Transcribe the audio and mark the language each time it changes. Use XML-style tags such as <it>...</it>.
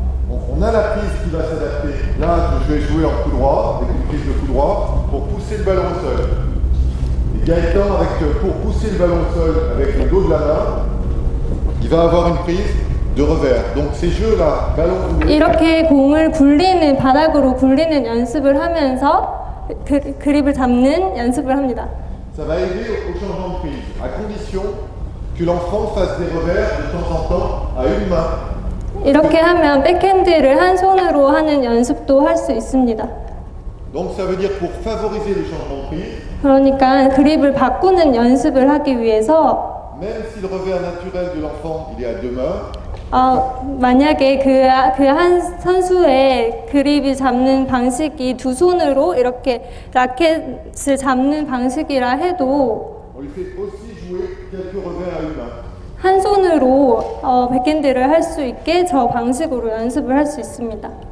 <fr>On a la prise qui va s'adapter. Là, je vais jouer en coup droit, avec une prise de coup droit, pour pousser le ballon au sol. Et Gaëtan, pour pousser le ballon au sol avec le dos de la main, il va avoir une prise de revers. Donc ces jeux-là, ballon coulé.</fr> <ko>이렇게 공을 굴리는 바닥으로 굴리는 연습을 하면서 그립을 잡는 연습을 합니다.</ko> <fr>Ça va aider au changement de prise, à condition que l'enfant fasse des revers de temps en temps à une main.</fr> <ko>이렇게 하면 백핸드를 한 손으로 하는 연습도 할 수 있습니다.</ko> <fr>Donc ça veut dire pour favoriser le changement de prise.</fr> <ko>그러니까 그립을 바꾸는 연습을 하기 위해서</ko> <fr>même si le revers naturel de l'enfant il est à deux mains.</fr> <ko>만약에 그 한 선수의 그립이 잡는 방식이 두 손으로 이렇게 라켓을 잡는 방식이라 해도</ko> <fr>on lui fait aussi jouer</fr> <ko>한 손으로 백핸드를 할 수 있게 저 방식으로 연습을 할 수 있습니다.</ko>